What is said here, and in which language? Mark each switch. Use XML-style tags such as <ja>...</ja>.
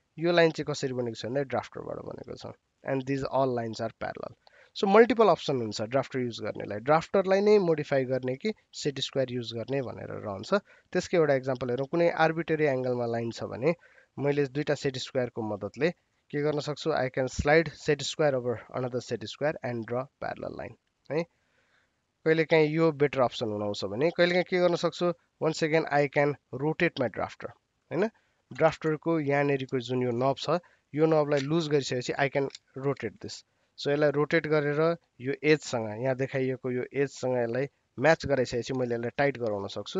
<ne>यो लाइन चाहिँ कसरी बनेको छ भन्दा ड्राफ्टरबाट बनेको छ</ne> <en>And these all lines are parallel.</en> <ne>So multiple option हुन्छ ड्राफ्टर युज गर्नेलाई. ड्राफ्टरलाई नै मोडिफाई गर्ने कि सेट स्क्वायर युज गर्ने भनेर रहन्छ. त्यसकै एउटा इक्जाम्पल हेरौँ. कुनै आर्बिटरी एङ्गलमा लाइन छ भने मैले दुईवटा सेट स्क्वायरको मद्दतले के गर्न सक्छु.</ne> <en>I can slide set square over another set square and draw parallel line है.</en> <ne>कहिलेकाहीँ यो बेटर अप्सन हुनुहुन्छ भने कहिलेकाहीँ के गर्न सक्छु.</ne> <en>one second I can rotate my drafter</en> <ne>होइन. ड्राफ्टरको यहाँनेरिको जुन यो नब छ यो नबलाई लुज गरिसकेपछि</ne> <en>I can rotate this.</en> <ne>So यसलाई रोटेट गरेर यो एजसँग यहाँ देखाइएको यो एजसँग यसलाई म्याच गराइसकेपछि मैले यसलाई टाइट गराउन सक्छु.</ne>